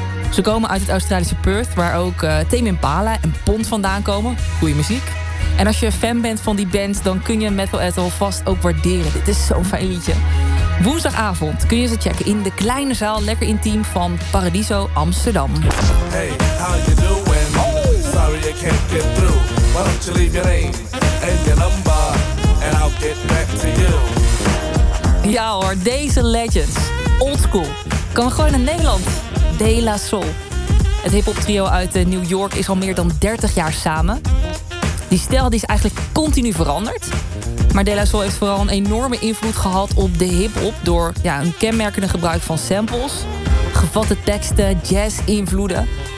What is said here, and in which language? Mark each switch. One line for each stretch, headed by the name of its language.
Dutch: Ze komen uit het Australische Perth, waar ook Tame Impala en Pond vandaan komen. Goeie muziek. En als je fan bent van die band, dan kun je Metal Ethel vast ook waarderen. Dit is zo'n fijn liedje. Woensdagavond kun je ze checken in de kleine zaal, lekker intiem, van Paradiso Amsterdam.
English: Hey, how you doing? Oh. Sorry I can't get through. Why don't you leave your name and your number? And I'll get back to you.
Dutch: Ja hoor, deze legends. Oldschool. Kan gewoon naar Nederland. De La Soul. Het hip-hop trio uit New York is al meer dan 30 jaar samen. Die stijl is eigenlijk continu veranderd. Maar De La Soul heeft vooral een enorme invloed gehad op de hip-hop door een kenmerkende gebruik van samples, gevatte teksten, jazz-invloeden.